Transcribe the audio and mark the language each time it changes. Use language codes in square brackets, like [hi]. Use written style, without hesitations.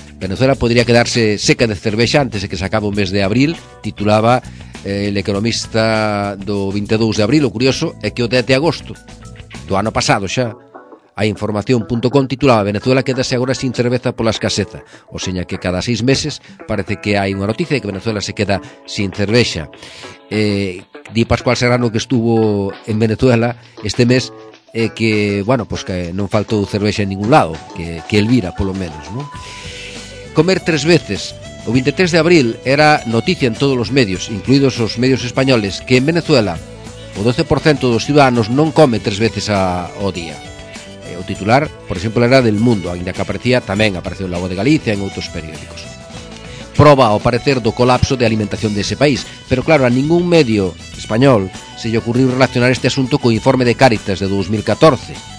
[es] Venezuela podría quedarse seca de cerveza antes de que se acabe [gl] o mes de abril, titulaba el economista do 22 de abril. O curioso é que o 10 de agosto do ano pasado xa, a información.com titulaba: Venezuela quedase agora sin cerveza pola escaseza. O seña que cada 6 meses parece que hai unha noticia de que Venezuela se queda sin cerveza. Di Pascual Serrano, que estuvo en Venezuela este mes, que, bueno, pues que non faltou cerveza en ningún lado, que el vira, polo menos, ¿no? Comer tres veces. O 23 de abril era noticia en todos os medios, incluídos os medios españoles, que en Venezuela o 12% dos ciudadanos non come tres veces ao día. O titular, por exemplo, era del Mundo, ainda que aparecía, tamén apareceu na Voz de Galicia, en outros periódicos. Prova ao parecer do colapso de alimentación dese país. Pero claro, a ningún medio español se lle ocurriu relacionar este asunto co informe de Cáritas de 2014.